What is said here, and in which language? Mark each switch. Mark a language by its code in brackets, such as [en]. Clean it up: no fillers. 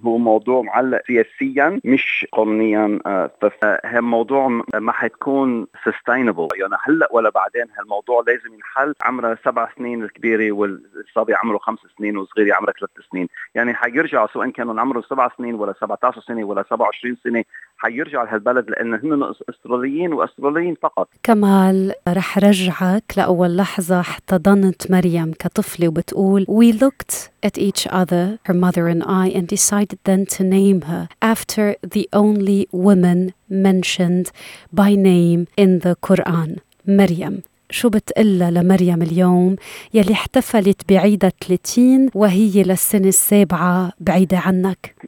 [ar] هو موضوع معلق سياسيا مش قانونيا، هالموضوع ما حتكون sustainable، يعني هلأ ولا بعدين هالموضوع لازم ينحل. عمره 7 سنين الكبيرة، والصبي عمره 5 سنين، وصغيري عمره 3 سنين، يعني حيرجع سواء كانوا عمره 7 سنين ولا 17 سنة ولا 27 سنة، حيرجع لهالبلد لأن هم أستراليين وأستراليين فقط. [en] كمال، [ar] رح رجعك لأول لحظة احتضنت مريم كطفلة وبتقول: [en] We looked at each other, her mother and I, and decided then to name her after the only woman mentioned by name in the Quran, مريم. [ar] شو بتقلها لمريم اليوم يلي احتفلت بعيدة 30 وهي للسنة السابعة بعيدة عنك؟